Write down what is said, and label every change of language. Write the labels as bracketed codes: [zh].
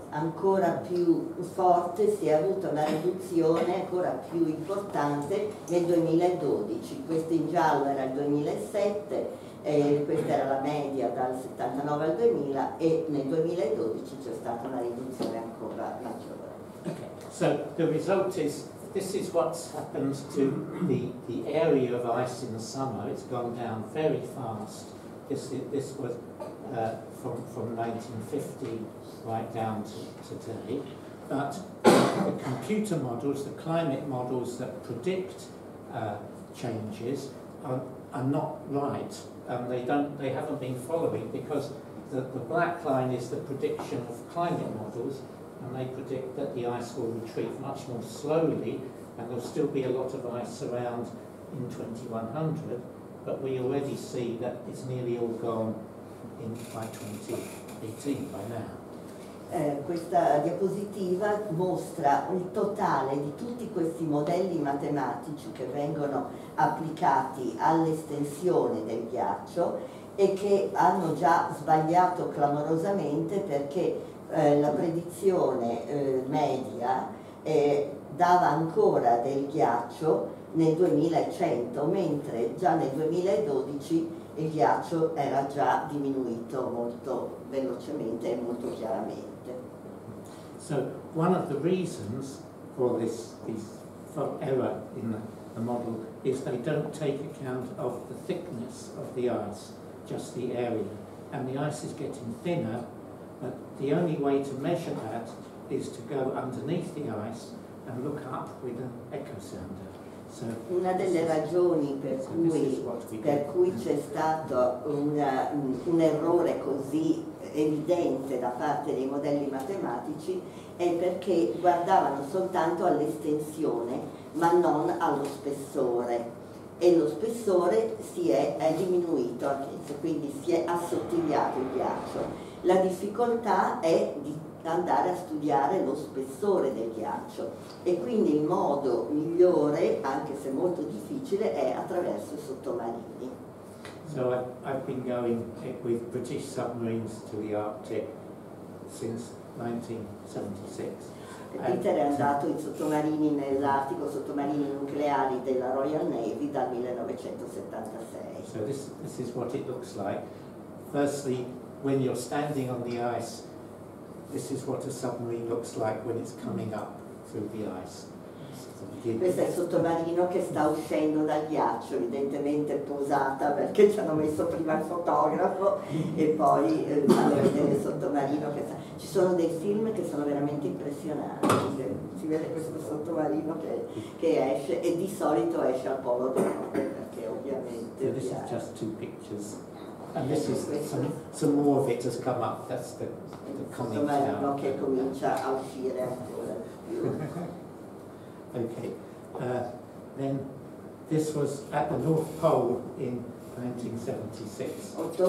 [it] Ancora più forte si è avuta una riduzione ancora più importante nel 2012. Questo in giallo era il 2007, questa era la media dal 79 al 2000, e nel 2012 c'è stata una riduzione ancora maggiore. [en] Okay. So the result is, this is what happens to the area of ice in the summer. It's gone down very fast. This was from 1950 right down to today. But the computer models, the climate models that predict changes are not right. They haven't been following, because the black line is the prediction of climate models, and they predict that the ice will retreat much more slowly, and there'll still be a lot of ice around in 2100. But we already see that it's nearly all gone by 2018, by now. [it] Questa diapositiva mostra il totale di tutti questi modelli matematici che vengono applicati all'estensione del ghiaccio, e che hanno già sbagliato clamorosamente, perché la predizione media dava ancora del ghiaccio nel 2100, mentre già nel 2012 il ghiaccio era già diminuito molto velocemente e molto chiaramente. [en] So one of the reasons for this error in the model is they don't take account of the thickness of the ice, just the area, and the ice is getting thinner, but the only way to measure that is to go underneath the ice and look up with an echo sounder. [it] Una delle ragioni per cui c'è stato un errore così evidente da parte dei modelli matematici è perché guardavano soltanto all'estensione, ma non allo spessore, e lo spessore è diminuito, quindi si è assottigliato il ghiaccio. La difficoltà è di andare a studiare lo spessore del ghiaccio, e quindi il modo migliore, anche se molto difficile, è attraverso i sottomarini. [en] So I've been going with British submarines to the Arctic since 1976. [it] Peter è andato in sottomarini nell'Artico, sottomarini nucleari della Royal Navy, dal 1976. [en] So this is what it looks like. Firstly, when you're standing on the ice, this is what a submarine looks like when it's coming up through the ice. [it] Questo è il sottomarino che sta uscendo dal ghiaccio, evidentemente posata, perché ci hanno messo prima il fotografo e poi fanno vedere il sottomarino che sta. Ci sono dei film che sono veramente impressionanti. Si vede questo sottomarino che esce, e di solito esce al polo del norte, perché ovviamente. [en] So this is just two pictures. And this is some more of it has come up. That's the coming down. [it] Okay, comincia a uscire ancora. [en] Okay, then this was at the North Pole in 1976.